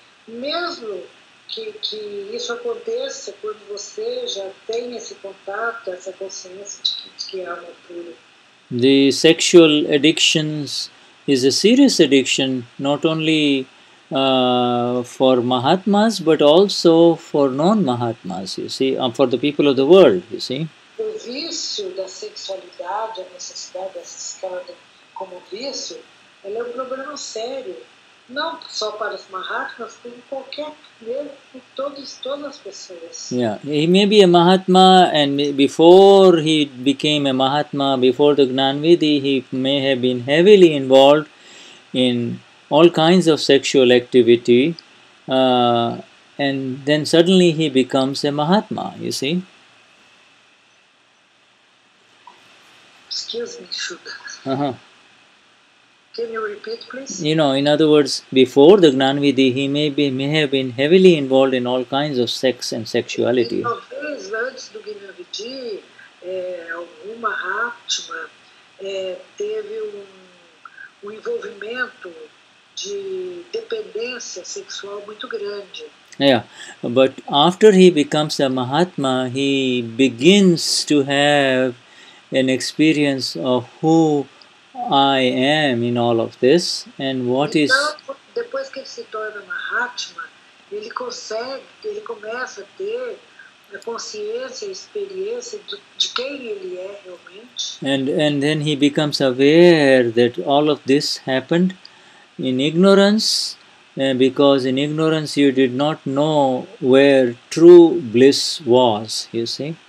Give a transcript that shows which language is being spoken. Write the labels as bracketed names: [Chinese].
[Portuguese] Mesmo que isso aconteça quando você já tem esse contato, essa consciência de que é Amapura. [English] The sexual addictions is a serious addiction, not only for Mahatmas, but also for non-Mahatmas, you see, for the people of the world, you see. [Portuguese] O vício da sexualidade, a necessidade dessa escada como vício, ela é um problema sério, não só para os Mahatmas, como qualquer mesmo, todas as pessoas. [English] Yeah, he may be a Mahatma, and before he became a Mahatma, before the Gnanvidhi, he may have been heavily involved in all kinds of sexual activity, and then suddenly he becomes a Mahatma, you see. Excuse me, Shuddha. Uh-huh. Can you repeat, please? You know, in other words, before the Gnanvidhi, he may have been heavily involved in all kinds of sex and sexuality. [Portuguese] Talvez antes do Gnanvidhi, algum Mahatma teve um envolvimento de dependência sexual muito grande. [English] Yeah, but after he becomes a Mahatma, he begins to have an experience of who I am in all of this and what [Portuguese] então, [English] is... [Portuguese] Então, depois que ele se torna Mahatma, ele consegue, ele começa a ter a consciência, a experiência de quem ele é realmente. [English] And then he becomes aware that all of this happened in ignorance. Because in ignorance you did not know where true bliss was, you see.